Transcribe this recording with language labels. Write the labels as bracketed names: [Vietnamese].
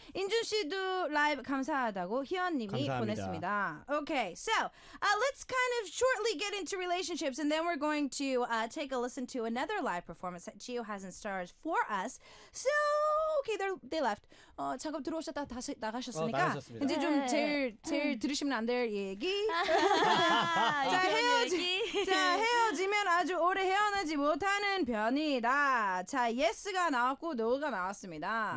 [Korean] 인준 씨도 라이브 감사하다고 희원님이 보냈습니다. [English] Okay, so let's kind of shortly get into relationships and then we're going to take a listen to another live performance that Gio has in stars for us. So, okay, they left. [Korean] 작업 들어오셨다 다시 나가셨으니까 이제 좀 제일 들으시면 안 될 얘기. 자, 헤어지. 자, 헤어지면 아주 오래 헤어나지 못하는 편이다. 자, 예스가 나왔고 노가 나왔습니다.